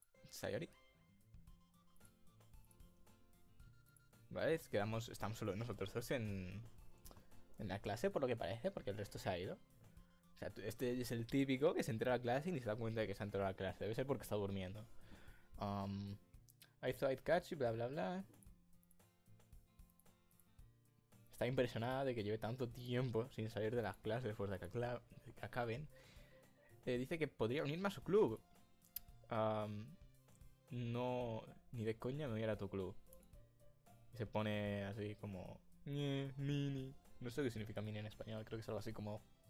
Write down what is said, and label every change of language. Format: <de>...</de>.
<es>Sayori. Vale, quedamos, estamos solo nosotros dos en la clase, por lo que parece, porque el resto se ha ido. O sea, este es el típico que se entra a la clase y ni se da cuenta de que se ha entrado a la clase. Debe ser porque está durmiendo.</es> <en>I thought I'd catch you, bla bla bla.</en> <es>Está impresionada de que lleve tanto tiempo sin salir de las clases después de que acaben. Dice que podría unirme a su club. No, ni de coña me voy a ir a tu club. Y se pone así como... mini. No sé qué significa mini en español. Creo que es algo así como...</es>